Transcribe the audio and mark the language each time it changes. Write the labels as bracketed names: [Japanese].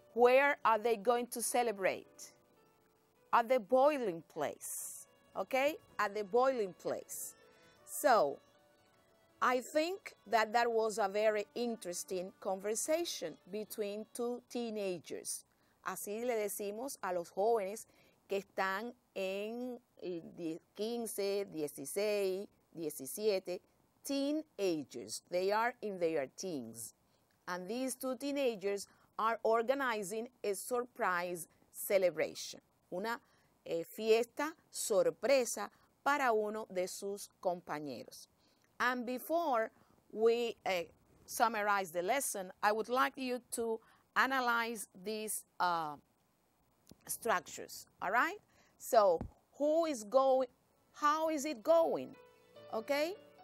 [English] Where are they going to celebrate? At the boiling place. Okay? At the boiling place. So, I think that that was a very interesting conversation between two teenagers. [Spanish] Así le decimos a los jóvenes que están en 15, 16, 17, teenagers. [English] They are in their teens. And these two teenagers are organizing a surprise celebration. [Spanish] Una fiesta sorpresa para uno de sus compañeros. [English] And before we summarize the lesson, I would like you to analyze these structures, all right? So, who is going, how is it going, okay?